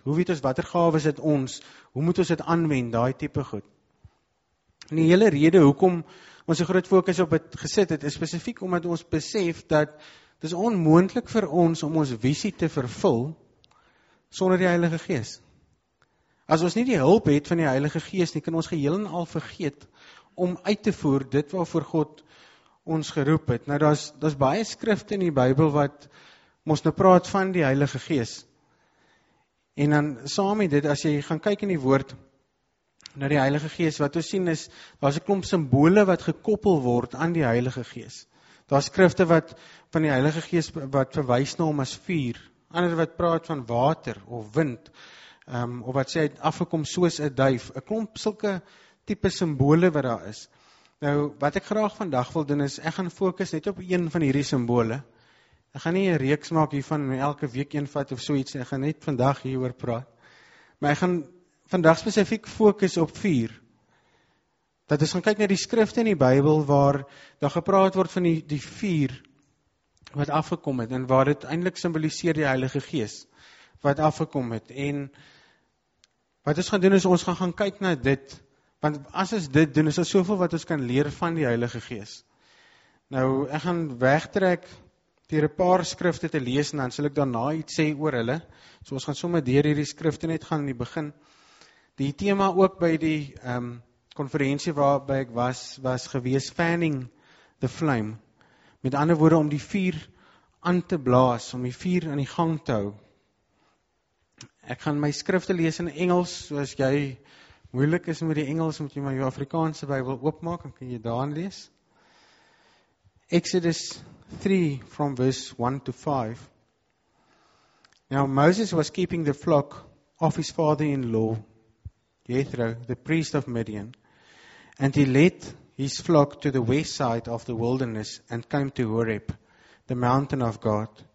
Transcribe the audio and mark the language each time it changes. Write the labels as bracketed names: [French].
[Afrikaans] Hoe weet ons watter gawes het ons? Hoe moet ons dit aanwend, daai tipe goed? En die hele rede hoekom ons 'n groot fokus op dit gesit het, is spesifiek omdat ons besef dat dit is onmoontlik vir ons om ons visie te vervul sonder die Heilige Gees. As ons nie die hulp het van die Heilige Gees nie, kan ons geheel en al vergeet om uit te voer dit waarvoor God ons geroep het. Nou daar's baie skrifte in die Bybel wat ons nou praat van die Heilige Gees. En dan saam met dit, as jy gaan kyk in die woord na die Heilige Gees, wat ons sien is, daar's 'n klomp simbole wat gekoppel word aan die Heilige Gees. Daar's skrifte wat van die Heilige Gees wat verwys na hom as vuur, ander wat praat van water of wind, of wat sê hy afgekom soos 'n duif, 'n klomp sulke tipe simbole wat daar is. Nou, wat ek graag vandag wil doen is, ek gaan fokus net op een van hierdie simbole. Ek gaan nie 'n reeks maak hiervan en elke week een vat of so iets nie. Ek gaan net vandag hieroor praat. Maar ek gaan vandag spesifiek fokus op vuur. Dat ons gaan kyk na die skrifte in die Bybel waar daar gepraat word van die vuur wat afgekom het en waar dit eintlik simboliseer die Heilige Gees wat afgekom het. En wat ons gaan doen is ons gaan kyk na dit. Want as ons dit doen, is daar soveel wat ons kan leer van die Heilige Gees. Nou, ek gaan wegtrek deur 'n paar skrifte te lees en dan sal ek daarna iets sê oor hulle. So ons gaan sommer deur hierdie skrifte net gaan in die begin. Die tema ook by die konferensie waarby ek was gewees, [English] fanning the flame. [Afrikaans] Met ander woorde, om die vuur aan te blaas, om die vuur aan die gang te hou. Ek gaan my skrifte lees in Engels, soos jy moeilik is met die Engels, moet jy maar jou Afrikaanse Bybel oopmaak, dan kan jy daarin lees. [English] Exodus 3 from verse 1 to 5. Now Moses was keeping the flock of his father-in-law, Jethro, the priest of Midian, and he led his flock to the west side of the wilderness and came to Horeb, the mountain of God.